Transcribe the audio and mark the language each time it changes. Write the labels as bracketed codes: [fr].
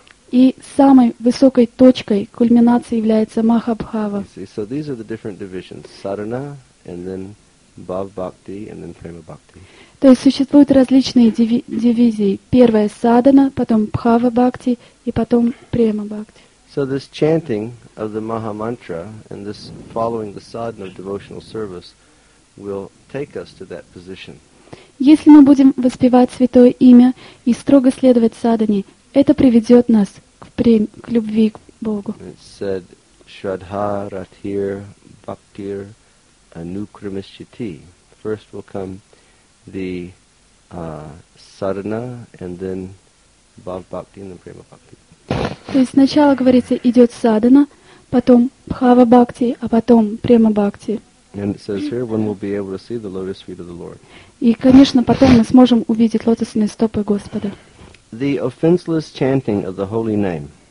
[ru] И самой высокой точкой кульминации является Махабхава. [en] So these are the different divisions: sadhana, and then bhav bhakti, and then prema bhakti. [ru] То есть существуют различные дивизии. Первая садхана, потом бхава бхакти и потом према бхакти. [en] So this chanting of the Maha Mantra and this following the sadhana of devotional service will take us to that position. [ru] Если мы будем воспевать святое имя и строго следовать садхане, это приведет нас к любви к Богу. [en] It said, [sa] Shraddha Ratir Bhaktir Anukramishyati. [en] First will come the sadhana and then bhav bhakti and then prema bhakti. [ru] То есть сначала, говорится, идет садхана, потом бхава бхакти, а потом према бхакти. И, конечно, потом мы сможем увидеть лотосные стопы Господа. [en] The offenseless chanting of the holy name.